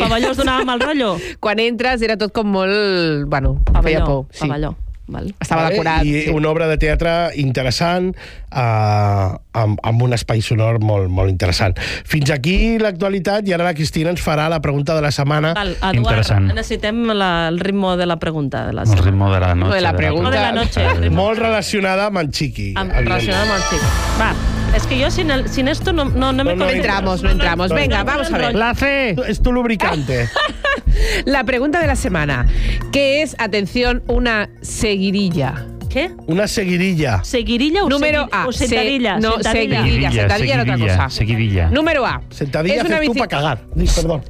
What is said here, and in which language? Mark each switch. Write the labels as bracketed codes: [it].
[ca] El pavelló es donava mal rotllo? Quan entres era tot com molt... Bueno, pavelló, feia por. Sí. Pavelló. Estava decorat. I una obra de teatre interessant, amb un espai sonor molt, molt interessant. Fins aquí l'actualitat, i ara la Cristina ens farà la pregunta de la setmana. Eduard, necessitem el ritmo de la pregunta. [es] El ritmo de la noche. [ca] Molt relacionada amb en Chiqui. Va, és que jo [es] sin esto no me... No entramos. Venga, vamos a ver. La C. Es tu lubricante. La pregunta de la semana. ¿Qué es, atención, una seguidilla? ¿Qué? Una seguidilla. ¿Seguirilla o número A? O sentadilla. No, sentadilla. Número A. Sentadilla es una bicicleta para cagar. Perdón.